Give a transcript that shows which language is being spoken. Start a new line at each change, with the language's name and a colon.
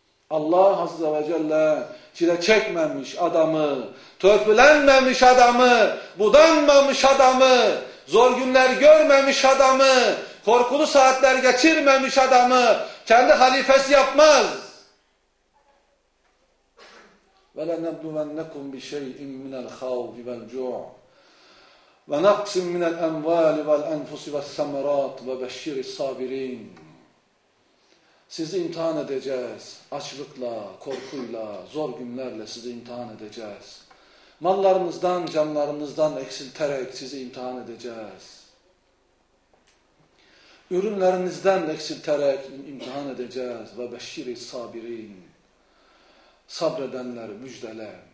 Turkish: Allah Azze ve Celle çile çekmemiş adamı, törpülenmemiş adamı, budanmamış adamı, zor günler görmemiş adamı, korkulu saatler geçirmemiş adamı kendi halifesi yapmaz.
Arabic: وَلَنَبْلُوَنَّكُمْ بِشَيْءٍ مِنَ الْخَوْفِ وَالْجُوعِ وَنَقْسِمْ مِنَ الْاَنْوَالِ وَالْاَنْفُسِ وَالْسَّمَرَاتِ وَبَشِّرِ الصَّابِرِينَ
Turkish: Sizi imtihan edeceğiz. Açlıkla, korkuyla, zor günlerle sizi imtihan edeceğiz. Mallarınızdan, canlarınızdan eksilterek sizi imtihan edeceğiz. Ürünlerinizden eksilterek imtihan edeceğiz.
Arabic: وَبَشِّرِ الصَّابِرِينَ
Turkish: Sabredenler müjdele.